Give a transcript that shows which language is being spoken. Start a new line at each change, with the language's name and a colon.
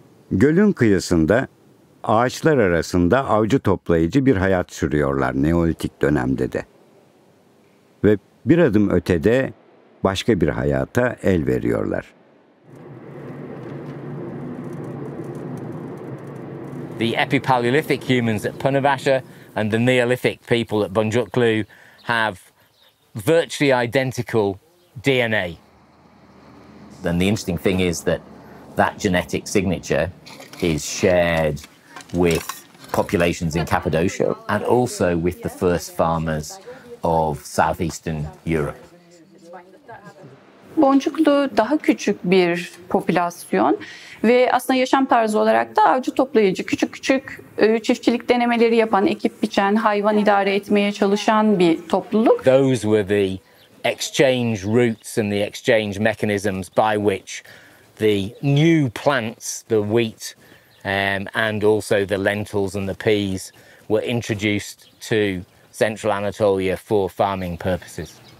Turkish: Gölün kıyısında ağaçlar arasında avcı toplayıcı bir hayat sürüyorlar Neolitik dönemde de. Ve bir adım ötede başka bir hayata el veriyorlar.
English: The Epipaleolithic humans at Punavasha and the Neolithic people at Bunjuklu have virtually identical DNA. Then the interesting thing is that that genetic signature is shared with populations in Cappadocia and also with the first farmers of southeastern Europe.
Turkish: Boncuklu daha küçük bir popülasyon ve aslında yaşam tarzı olarak da avcı toplayıcı. Küçük küçük çiftçilik denemeleri yapan, ekip biçen, hayvan idare etmeye çalışan bir topluluk.
English: Those were the exchange routes and the exchange mechanisms by which the new plants, the wheat and also the lentils and the peas were introduced to Central Anatolia for farming purposes.